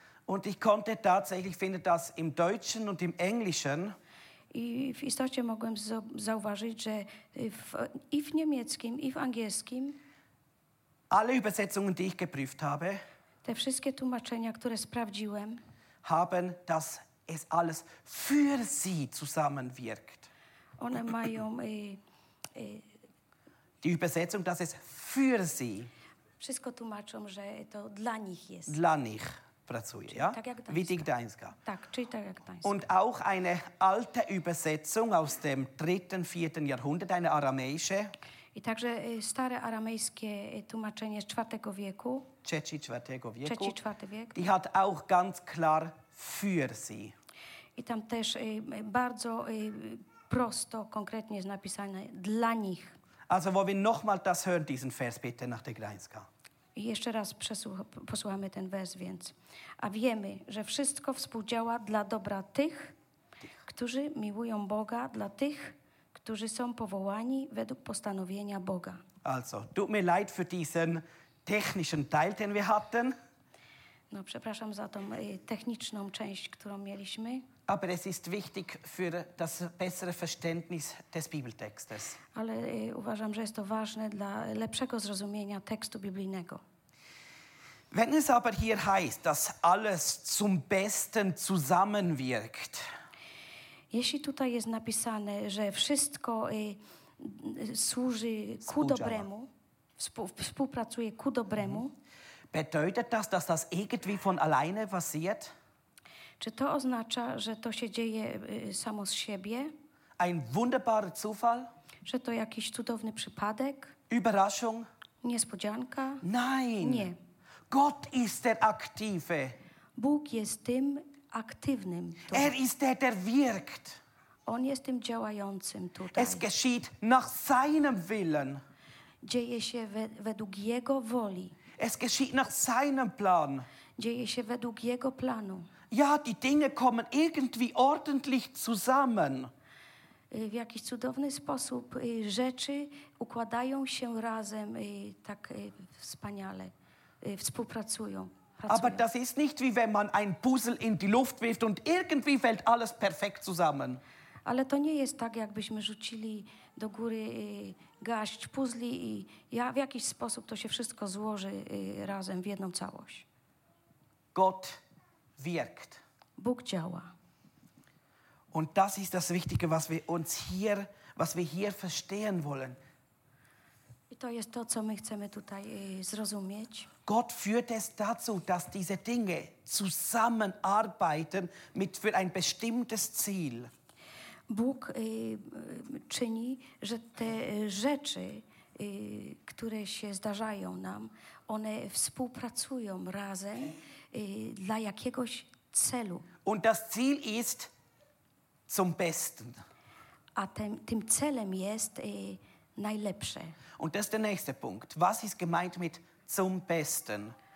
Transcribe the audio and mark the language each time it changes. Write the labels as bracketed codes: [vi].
[de] Und ich konnte tatsächlich finden, dass im Deutschen und im Englischen. [pl] I w istocie mogłem zauważyć, że i w niemieckim, i w angielskim. [de] Alle Übersetzungen, die ich geprüft habe. [pl] Te wszystkie tłumaczenia, które sprawdziłem. [de] Haben, dass es alles für sie zusammenwirkt. [pl] One mają. [de] Die Übersetzung, dass es für sie. [pl] Wszystko tłumaczą, że to dla nich jest. Dla nich pracuje, czyli [de] ja? [pl] Tak jak [de] wie die Gdańska. [pl] Tak, czyli tak jak Gdańska. [de] Und auch eine alte Übersetzung aus dem 3., 4. Jahrhundert, eine aramäische. [pl] I także stare aramejskie tłumaczenie z IV wieku. Trzeci, czwartego wieku. Trzeci, czwarty wiek. [de] Die hat auch ganz klar für sie. [pl] I tam też bardzo prosto, konkretnie jest napisane dla nich. [de] Also wollen wir noch mal das hören, diesen Vers bitte nach der Gdańska. [pl] Jeszcze raz posłuchamy ten wers, więc. A wiemy, że wszystko współdziała dla dobra tych, którzy miłują Boga, dla tych, którzy są powołani według postanowienia Boga. [de] Also, tut mir leid für diesen technischen Teil, den wir hatten. [pl] No, przepraszam za tą techniczną część, którą mieliśmy. [de] Aber es ist wichtig für das bessere Verständnis des Bibeltextes. [pl] Ale uważam, że jest to ważne dla lepszego zrozumienia tekstu biblijnego. [de] Wenn es aber hier heißt, dass alles zum Besten zusammenwirkt. [pl] Jeśli tutaj jest napisane, że wszystko służy ku dobremu, współpracuje ku dobremu, [de] bedeutet das, dass das irgendwie von alleine passiert? [pl] Czy to oznacza, że to się dzieje samo z siebie? [de] Ein wunderbarer Zufall? [pl] Że to jakiś cudowny przypadek? [de] Überraschung? [pl] Niespodzianka? [de] Nein. [pl] Nie. [de] Gott ist der Aktive. [pl] Bóg jest tym aktywnym. Tutaj. [de] Er ist der, der wirkt. [pl] On jest tym działającym tutaj. [de] Es geschieht nach seinem Willen. [pl] Dzieje się według jego woli. [de] Es geschieht nach seinem Plan. [pl] Dzieje się według jego planu. [de] Ja, die Dinge kommen irgendwie ordentlich zusammen. [pl] W jakiś cudowny sposób rzeczy układają się razem tak wspaniale, współpracują. [de] Aber das ist nicht wie wenn man ein Puzzle in die Luft wirft und irgendwie fällt alles perfekt zusammen. [pl] Ale to nie jest tak, jakbyśmy rzucili do góry garść puzli i ja w jakiś sposób to się wszystko złoży razem w jedną całość. [de] Gott wirkt. [pl] Bóg działa. [de] Und das ist das Wichtige, was wir hier verstehen wollen. [pl] I to jest to, co my chcemy tutaj zrozumieć. [de] Gott führt es dazu, dass diese Dinge zusammenarbeiten mit für ein bestimmtes Ziel. [pl] Bóg czyni, że te rzeczy, które się zdarzają nam, one współpracują razem dla jakiegoś celu. [de] Und das Ziel ist zum Besten. [pl] A tym celem jest najlepsze. [de] Und das ist der nächste Punkt. Was ist gemeint mit zum Besten?